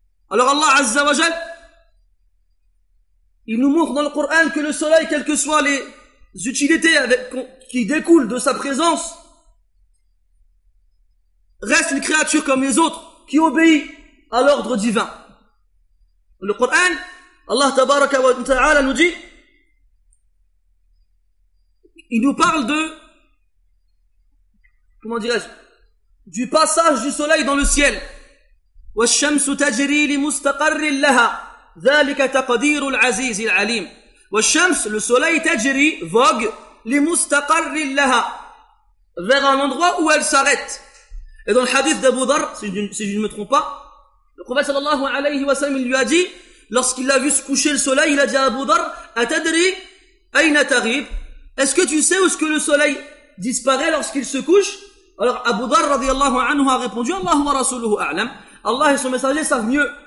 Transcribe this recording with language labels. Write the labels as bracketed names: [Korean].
[French] Alors Allah azza wa jal, il nous montre dans le Coran que le soleil, quelles que soient les utilités qui découlent de sa présence, reste une créature comme les autres qui obéit à l'ordre divin. Dans le Coran, Allah tabaraka wa ta'ala nous dit, il nous parle de, comment dirais-je, du passage du soleil dans le ciel. [Arabic] وَالشَّمْسُ تَجْرِي لِمُسْتَقَرٍ لَهَا ذَلِكَ تَقَدِيرُ الْعَزِيزِ الْعَلِيمِ وَالشَّمْسُ, [French] le soleil [Arabic] تَجْرِي, [French] vogue, [Arabic] لِمُسْتَقَرٍ لَهَا, [French] vers un endroit où elle s'arrête. Et dans le hadith d'Abu Dhar, si je ne me trompe pas, le prophète sallallahu alayhi wa sallam, il lui a dit, lorsqu'il a vu se coucher le soleil, il a dit à Abu Dhar, [Arabic] أَتَدْرِي أَيْنَ تَغِيبُ, [French] est-ce que tu sais où est-ce que le soleil disparaît lorsqu'il se couche? Alors Abu Dhar radiyallahu anhu a répondu, [Arabic] Allah wa rasuluhu a'lam, [French] Allah et son messager savent mieux.